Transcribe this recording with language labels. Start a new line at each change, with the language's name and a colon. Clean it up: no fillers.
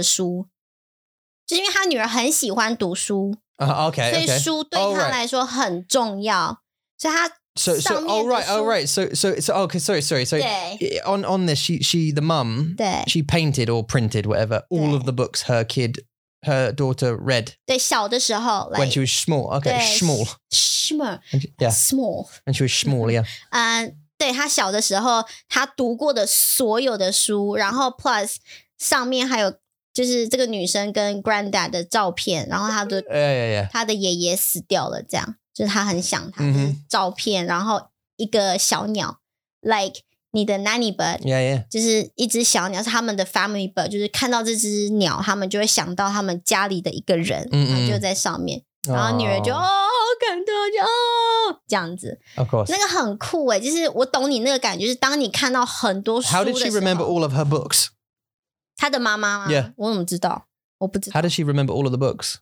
Chinese: 然后上面所有的书全部都是这个女儿她读过的书。就因为她女儿很喜欢读书。
English: Okay, okay.
Chinese: 所以书对她来说很重要。
English: Oh, right.
Chinese: 所以她上面的书,
English: So, on this, the mum, she painted or printed whatever all of the books her kid her daughter read.
Chinese: 对,小的时候, like,
English: when she was small. Okay,
Chinese: 对,
English: small. Small. And she, yeah. Small. And she was small, yeah.
Chinese: 对,她小的时候,她读过的所有的书, 然后plus,上面还有就是这个女生跟granddad的照片, 然后她的,
English: yeah, yeah, yeah.
Chinese: 她的爷爷死掉了,这样, 就是她很想她的照片, mm-hmm. 然后一个小鸟, like, 你的nanny bird,
English: yeah, yeah.
Chinese: 就是一只小鸟, 是他们的
English: family bird,
Chinese: 就是看到这只鸟, 他们就会想到他们家里的一个人, mm-hmm. 就在上面, 然后女儿就, oh. 哦, 好感动, 就, 哦, 这样子,
English: of course.
Chinese: 那个很酷耶, 就是我懂你那个感觉, 就是当你看到很多书的时候,
English: How did she remember all of her books?
Chinese: 她的妈妈吗?
English: Yeah.
Chinese: 我怎么知道?我不知道。
English: How does she remember all of the books?